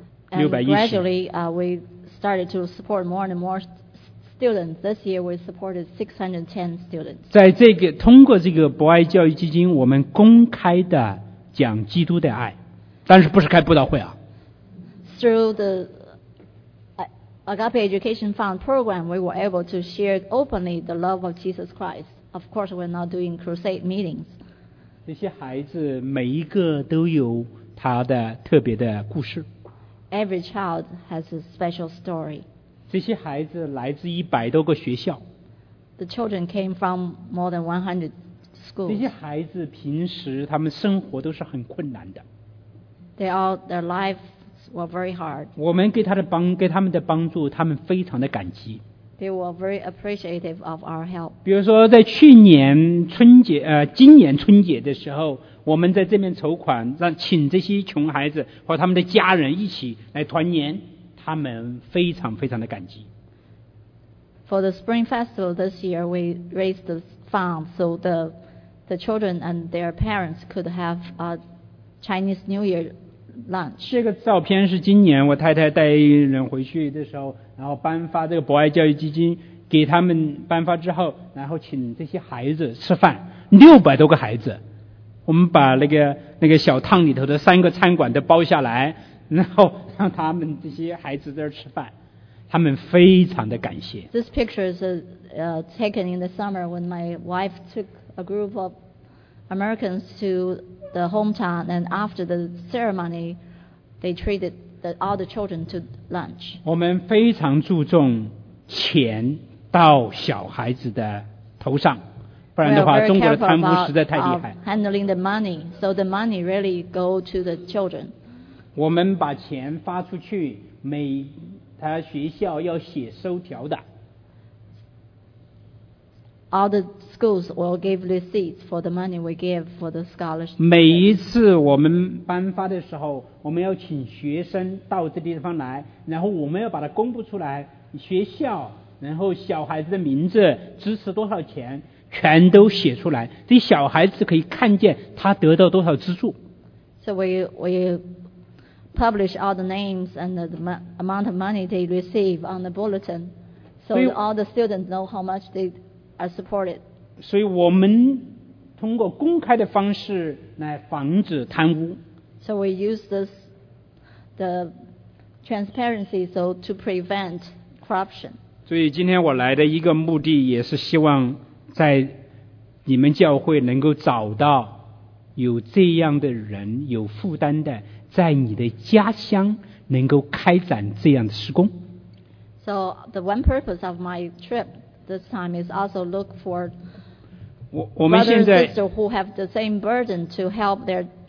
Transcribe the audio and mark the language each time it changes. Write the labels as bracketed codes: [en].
[en] And gradually we started to support more and more students. This year we supported 610 students. [zh] 通过这个博爱教育基金，我们公开的讲基督的爱，但是不是开布道会啊。 [en] Through the Agape Education Fund program, we were able to share openly the love of Jesus Christ. Of course, we're not doing crusade meetings. [zh] 这些孩子每一个都有他的特别的故事。 [en] Every child has a special story. [zh] 这些孩子来自100多个学校。 [en] The children came from more than 100 schools. [zh] 这些孩子平时他们生活都是很困难的。 [en] They all, their lives were very hard. [zh] 我们给他的帮，给他们的帮助，他们非常的感激。 [en] They were very appreciative of our help. [zh] 比如说在去年春节，今年春节的时候，我们在这边筹款，让请这些穷孩子和他们的家人一起来团年，他们非常非常的感激。 [en] For the Spring Festival this year, we raised the fund so the children and their parents could have a Chinese New Year lunch. [zh] 这个照片是今年我太太带一人回去的时候，然后颁发这个博爱教育基金给他们颁发之后，然后请这些孩子吃饭，600多个孩子，我们把那个小烫里头的3个餐馆都包下来，然后让他们这些孩子在这吃饭。他们非常的感谢。 [en] This picture is taken in the summer when my wife took a group of Americans to the hometown, and after the ceremony, they treated all the children to lunch. [zh] 我们非常注重钱到小孩子的头上，不然的话，中国的贪污实在太厉害。 [en] Handling the money, so the money really go to the children. [zh] 我们把钱发出去，每他学校要写收条的。 [en] All the schools will give receipts for the money we give for the scholarship. [zh] 每一次我们颁发的时候，我们要请学生到这地方来，然后我们要把它公布出来，学校，然后小孩子的名字，支持多少钱，全都写出来，这小孩子可以看见他得到多少资助。 [en] So we publish all the names and the amount of money they receive on the bulletin, so all the students know how much they are supported. [zh] 所以我们通过公开的方式来防止贪污。 [en] So we use this the transparency so to prevent corruption. [zh] 所以今天我来的一个目的也是希望在你们教会能够找到有这样的人，有负担的，在你的家乡能够开展这样的施工。 [en] So the one purpose of my trip this time is also look for brothers and sisters who have the same burden to help their neighbors.